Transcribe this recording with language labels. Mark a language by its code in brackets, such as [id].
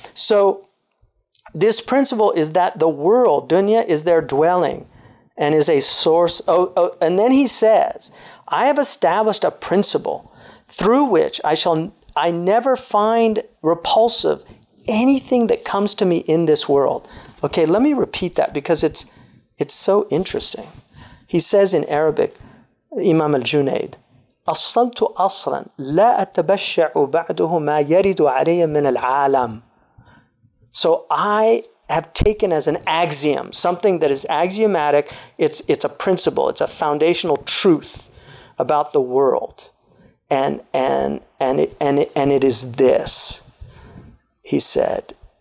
[en] So this principle is that the world, dunya, is their dwelling and is a source. And then he says, I have established a principle through which I never find repulsive anything that comes to me in this world. Okay, let me repeat that, because it's so interesting. He says in Arabic, Imam al-Junayd, [ar] أَصَّلْتُ أَصْلًا لَا أَتَّبَشَّعُ بَعْدُهُ مَا يَرِدُ عَلَيَّ مِنَ الْعَالَمِ. [en] So I have taken as an axiom, something that is axiomatic, it's a principle, it's a foundational truth about the world. And it is this, he said.